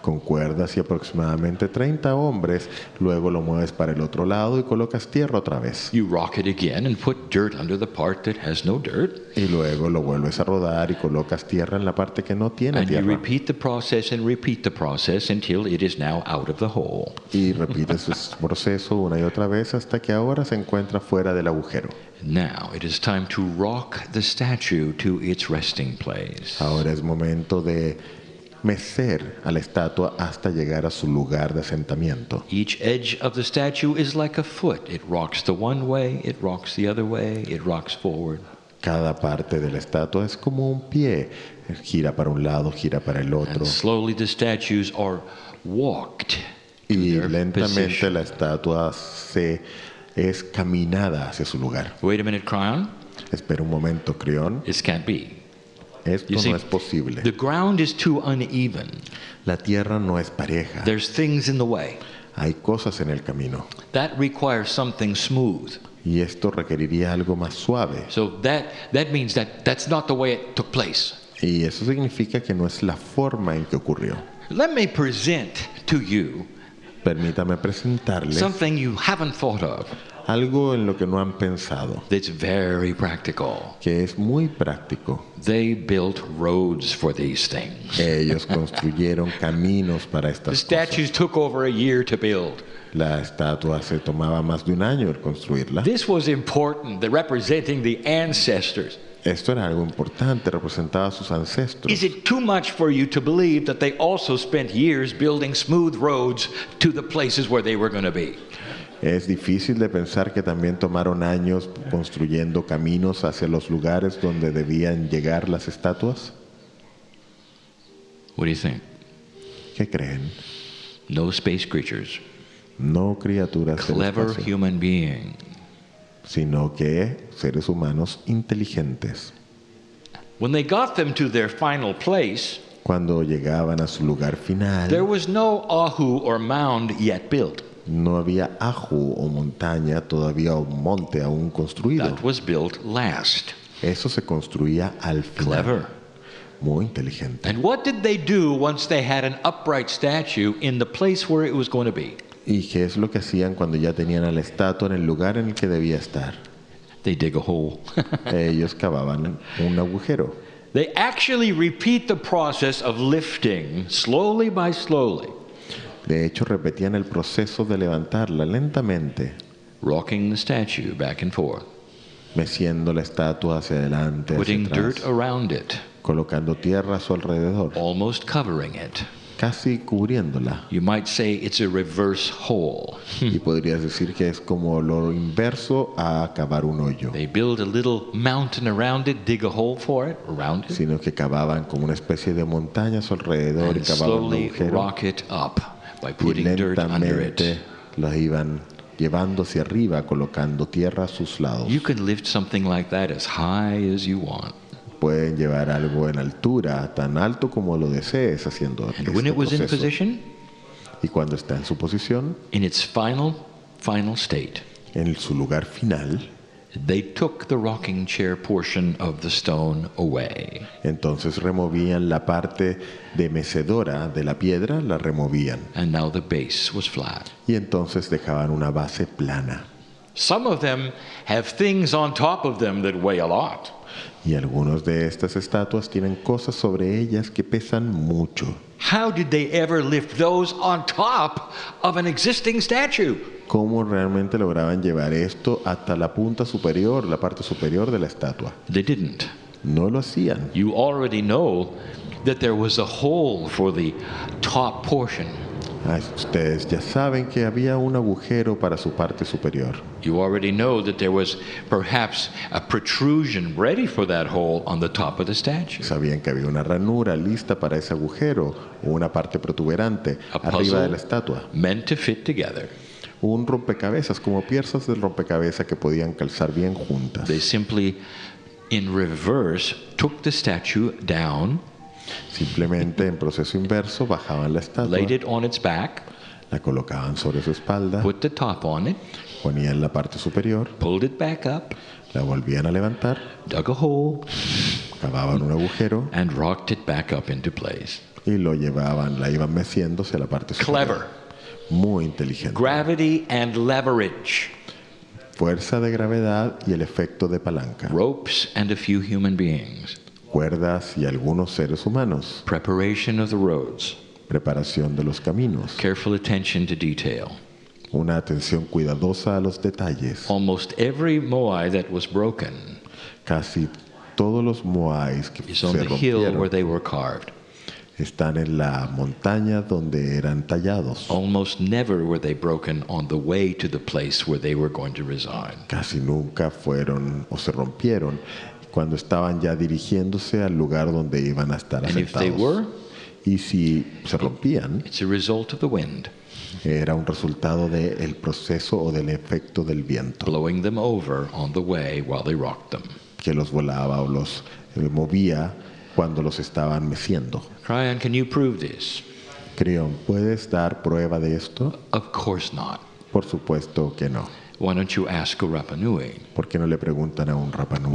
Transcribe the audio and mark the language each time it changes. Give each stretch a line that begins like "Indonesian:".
Spanish: Con cuerdas y aproximadamente 30 hombres, luego lo mueves para el otro lado y colocas tierra otra vez.
English: You rock it again and put dirt under the part that has no dirt.
Spanish: Y luego lo vuelves a rodar y colocas tierra en la parte que no tiene
English: and
Spanish: tierra.
English: And you repeat the process and repeat the process until it is now out of the hole.
Spanish: Y repites el proceso una y otra vez hasta que ahora se encuentra fuera del agujero.
English: Now it is time to rock the statue to its resting place.
Spanish: Ahora es momento de mecer a la estatua hasta llegar a su lugar de asentamiento.
English: Each edge of the statue is like a foot. It rocks the one way, it rocks the other way, it rocks forward.
Spanish: Cada parte de la estatua es como un pie, gira para un lado, gira para el otro.
English: And slowly the statues are walked
Spanish: y lentamente position. La estatua se es caminada hacia su lugar.
English: Wait a minute, Creon.
Spanish: Espera un momento, Creon.
English: This can't be.
Spanish: Esto no es posible.
English: The ground is too uneven.
Spanish: La tierra no es pareja.
English: There's things in the way.
Spanish: Hay cosas en el camino.
English: That requires something smooth.
Spanish: Y esto requeriría algo más suave.
English: So that means that's not the way it took place.
Spanish: Y eso significa que no es la forma en que ocurrió.
English: Let me present to you.
Spanish: Permítame presentarles
English: something you haven't thought of.
Spanish: Algo en lo que no han pensado.
English: That's very practical.
Spanish: Que es muy práctico.
English: They built roads for these things.
Spanish: Ellos construyeron caminos para estas cosas.
English: The statues took over a year to build.
Spanish: La estatua se tomaba más de un año el construirla.
English: This was important, the representing the ancestors.
Spanish: Esto era algo importante, representaba a sus ancestros.
English: Is it too much for you to believe that they also spent years building smooth roads to the places where they were going to be?
Spanish: Es difícil de pensar que también tomaron años construyendo caminos hacia los lugares donde debían llegar las estatuas.
English: What do you think?
Spanish: ¿Qué creen?
English: No space creatures.
Spanish: No criaturas
English: clever
Spanish: del espacio,
English: human being,
Spanish: sino que seres humanos inteligentes.
English: When they got them to their final place,
Spanish: cuando llegaban a su lugar final,
English: there was no ahu or mound yet built.
Spanish: No había ahu o montaña todavía o monte aún construido.
English: That was built last.
Spanish: Eso se construía al final.
English: Clever.
Spanish: Muy inteligente.
English: And what did they do once they had an upright statue in the place where it was going to be?
Spanish: ¿Y qué es lo que hacían cuando ya tenían a la estatua en el lugar en el que debía estar?
English: They dig a hole.
Spanish: Ellos cavaban un agujero.
English: They actually repeat the process of lifting slowly by slowly.
Spanish: De hecho, repetían el proceso de levantarla lentamente.
English: Rocking the statue back and forth.
Spanish: Meciendo la estatua hacia adelante,
English: putting
Spanish: hacia atrás,
English: dirt around it.
Spanish: Colocando tierra a su alrededor.
English: Almost covering it.
Spanish: Casi cubriéndola.
English: You might say it's a reverse hole.
Spanish: Y podrías decir que es como lo inverso a cavar un hoyo.
English: They build a little mountain around it, dig a hole for it, around it.
Spanish: Sino que cavaban como una especie de montaña a su alrededor y cavaban
English: slowly
Spanish: un agujero.
English: Rock it up by putting dirt under it.
Spanish: Los iban llevando hacia arriba, colocando tierra a sus lados.
English: You can lift something like that as high as you want.
Spanish: Pueden llevar algo en altura, tan alto como lo desees, haciendo este
English: when it was
Spanish: proceso.
English: In position,
Spanish: y cuando está en su posición,
English: in its final state,
Spanish: en su lugar final,
English: they took the rocking chair portion of the stone away.
Spanish: Entonces removían la parte de mecedora de la piedra, la removían.
English: And now the base was flat.
Spanish: Y entonces dejaban una base plana.
English: Some of them have things on top of them that weigh a lot.
Spanish: Y algunos de estas estatuas tienen cosas sobre ellas que pesan mucho.
English: How did they ever lift those on top of an existing statue?
Spanish: ¿Cómo realmente lograban llevar esto hasta la punta superior, la parte superior de la estatua?
English: They didn't.
Spanish: No lo hacían.
English: You already know that there was a hole for the top portion.
Spanish: Ustedes ya saben que había un agujero para su parte superior.
English: You already know that there was perhaps a protrusion ready for that hole on the top of the statue.
Spanish: Sabían que había una ranura lista para ese agujero o una parte protuberante arriba de la estatua.
English: Meant to fit together.
Spanish: Un rompecabezas como piezas del rompecabezas que podían calzar bien juntas.
English: They simply in reverse took the statue down.
Spanish: Simplemente en proceso inverso bajaban la estatua.
English: Laid it on its back.
Spanish: La colocaban sobre su espalda.
English: Put the top on it.
Spanish: Ponían la parte superior.
English: Pulled it back up.
Spanish: La volvían a levantar.
English: Dug a hole.
Spanish: Cavaban un agujero.
English: And rocked it back up into place.
Spanish: Y lo llevaban, la iban meciéndose a la parte superior.
English: Clever.
Spanish: Muy inteligente.
English: Gravity and leverage.
Spanish: Fuerza de gravedad y el efecto de palanca.
English: Ropes and a few human beings.
Spanish: Cuerdas y algunos seres humanos.
English: Preparation of the roads.
Spanish: Preparación de los caminos.
English: Careful attention to detail.
Spanish: Una atención cuidadosa a los detalles.
English: Almost every moai that was broken.
Spanish: Casi todos los moais que se rompieron.
English: Is on the hill where they were carved.
Spanish: están en la montaña donde eran tallados.
English: Almost never were they broken on the way to the place where they were going to reside.
Spanish: Casi nunca fueron o se rompieron cuando estaban ya dirigiéndose al lugar donde iban a estar asentados.
English: And if they were,
Spanish: y si se rompían,
English: it's a result of the wind.
Spanish: Era un resultado del proceso o del efecto del viento.
English: Blowing them over on the way while they rocked them.
Spanish: Que los volaba o los movía cuando los estaban meciendo.
English: Cryon, can you prove this?
Spanish: Cryon, ¿puedes dar prueba de esto?
English: Of course not.
Spanish: Por supuesto que no.
English: Why don't you ask a Rapa Nui?
Spanish: ¿Por qué no le preguntan a un Rapa Nui?